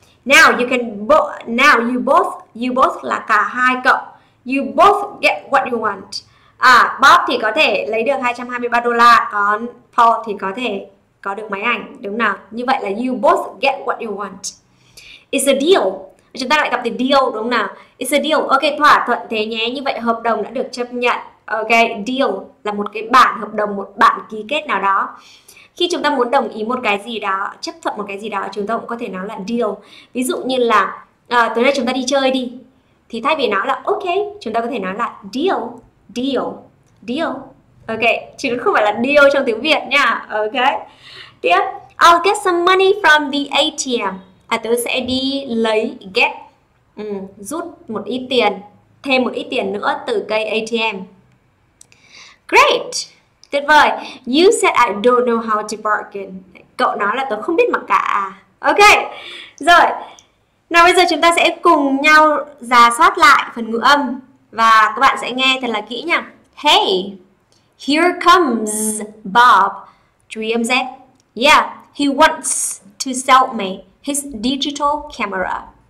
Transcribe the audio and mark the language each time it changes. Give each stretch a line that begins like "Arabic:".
English: Now you can now you both
Vietnamese: là cả hai cậu,
English: you both get what you want.
Vietnamese: À, Bob thì có thể lấy được $223, còn Paul thì có thể có được máy ảnh, đúng nào? Như vậy là
English: you both get what you want. It's a deal.
Vietnamese: Chúng ta lại gặp the deal, đúng nào?
English: It's a deal.
Vietnamese: Ok, thỏa thuận thế nhé. Như vậy hợp đồng đã được chấp nhận. Ok, deal là một cái bản hợp đồng, một bản ký kết nào đó. Khi chúng ta muốn đồng ý một cái gì đó, chấp thuận một cái gì đó, chúng ta cũng có thể nói là deal. Ví dụ như là tối nay chúng ta đi chơi đi, thì thay vì nói là ok, chúng ta có thể nói là deal, deal, deal. Ok, chứ không phải là deal trong tiếng Việt nha. Ok, tiếp.
English: I'll get some money from the ATM.
Vietnamese: Tớ sẽ đi lấy, get, rút một ít tiền, thêm một ít tiền nữa từ cây ATM. Great, tuyệt vời.
English: You said I don't know how to bargain.
Vietnamese: Cậu nói là tớ không biết mặc cả. Ok, rồi. Nào bây giờ chúng ta sẽ cùng nhau rà soát lại phần ngữ âm. Và các bạn sẽ nghe thật là kỹ nha.
English: Hey, here comes Bob.
Vietnamese: Chú ý âm Z.
English: Yeah, he wants to sell me his digital camera.